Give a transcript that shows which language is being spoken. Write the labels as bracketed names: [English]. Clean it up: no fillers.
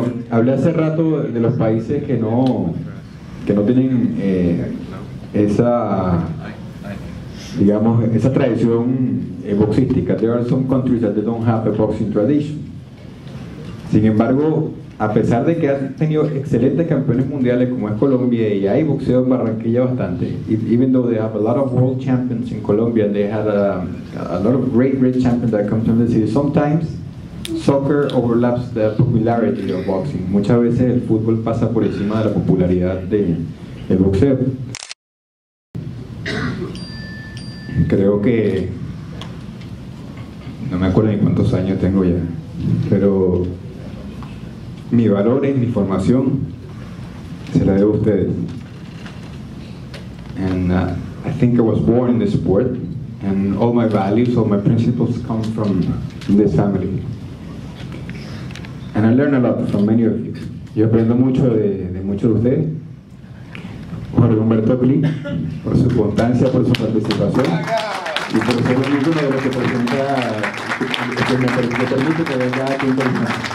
[Spanish] Hablé hace rato de los países que no tienen esa tradición boxística. [English] There are some countries that don't have a boxing tradition. Sin embargo, a pesar de que han tenido excelentes campeones mundiales como es Colombia, y hay boxeo en Barranquilla bastante, even though they have a lot of world champions in Colombia, they had a lot of great champions that come from the city. Sometimes soccer overlaps the popularity of boxing. [Spanish] Muchas veces el fútbol pasa por encima de la popularidad del boxeo. Creo que no me acuerdo ni cuántos años tengo ya, pero mi valor es mi formación, se la debo a ustedes. [English] I think I was born in this sport, and all my values, all my principles come from this family. And I learn a lot from many of you. [Spanish] Yo aprendo mucho de muchos de ustedes. Jorge Humberto Pli, por su constancia, por su participación. Y por ser un hijo de los que presenta, que me permite que venga aquí en Colombia.